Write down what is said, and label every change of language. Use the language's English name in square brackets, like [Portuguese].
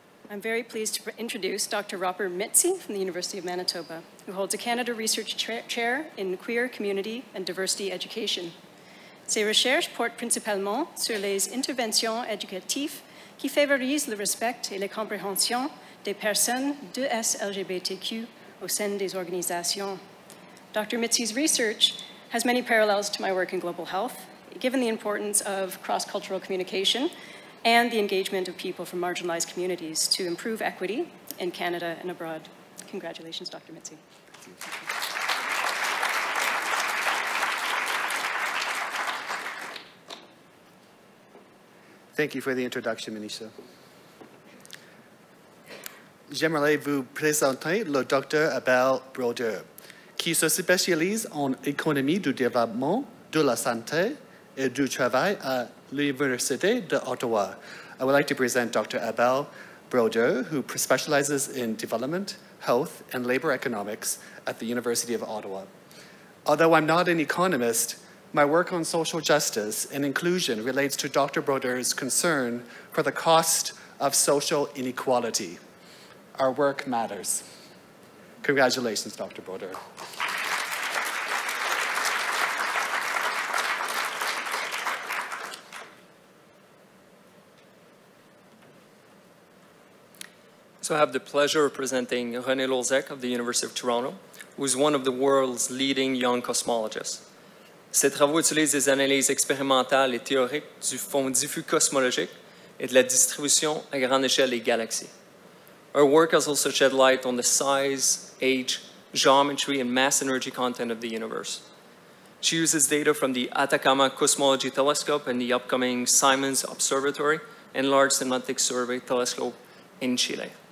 [English] I'm very pleased to introduce Dr. Robert Mitzi from the University of Manitoba, who holds a Canada Research Chair in Queer Community and Diversity Education. [French] Ses recherches portent principalement sur les interventions éducatives qui favorisent le respect et la compréhension des personnes de SLGBTQ au sein des organisations. [English] Dr. Mitzi's research has many parallels to my work in global health, given the importance of cross-cultural communication and the engagement of people from marginalized communities to improve equity in Canada and abroad. Congratulations, Dr. Mitzi. Thank you for the introduction, Manisha. [French] J'aimerais vous présenter le Dr. Abel Broder, qui se spécialise en économie du développement, de la santé et du travail à l'Université d'Ottawa. [English] I would like to present Dr. Abel Broder, who specializes in development, health, and labor economics at the University of Ottawa. Although I'm not an economist, my work on social justice and inclusion relates to Dr. Broder's concern for the cost of social inequality. Our work matters. Congratulations, Dr. Broder. So I have the pleasure of presenting René Lauzek of the University of Toronto, who is one of the world's leading young cosmologists. [French] Ses travaux utilisent des analyses expérimentales et théoriques du fond diffus cosmologique et de la distribution à grande échelle des galaxies. [English] Her work has also shed light on the size, age, geometry, and mass energy content of the universe. She uses data from the Atacama Cosmology Telescope and the upcoming Simons Observatory and Large Synoptic Survey Telescope in Chile.